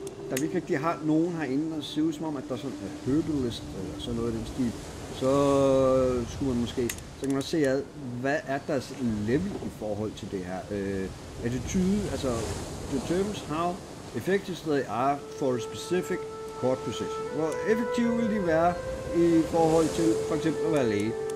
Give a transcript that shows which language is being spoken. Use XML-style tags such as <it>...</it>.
<da>Da vi ikke rigtig har nogen herinde, der ser ud som om, at der er sådan en hurdle-list eller sådan noget i den stil, så skulle man måske, så kan man også se ad, hvad er deres level i forhold til det her.</da> <en>Attitude, altså determines how effective they are for a specific court position.</en> <da>Hvor effektive vil de være i forhold til for eksempel at være læge.</da>